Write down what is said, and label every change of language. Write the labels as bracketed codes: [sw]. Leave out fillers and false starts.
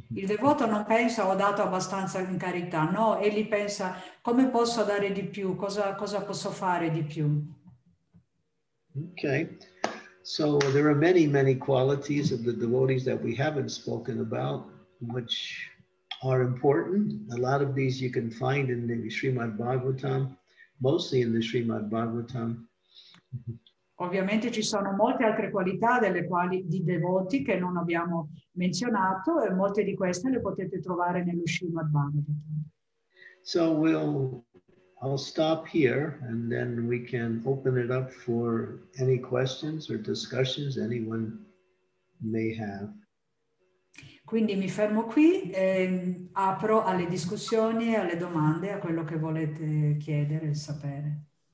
[it] Il devoto non pensa ho dato abbastanza in carità, no, egli pensa come posso dare di più, cosa posso fare di più. [en] Okay, so there are many, many qualities of the devotees that we haven't spoken about, which are important. A lot of these you can find in the Srimad Bhagavatam, mostly in the Srimad Bhagavatam. [it] Ovviamente ci sono molte altre qualità delle quali di devoti che non abbiamo menzionato e molte di queste le potete trovare nello Srimad Bhagavatam. [en] So I'll stop here and then we can open it up for any questions or discussions anyone may have. [it] Quindi mi fermo qui e apro alle discussioni, alle domande, a quello che volete chiedere e sapere.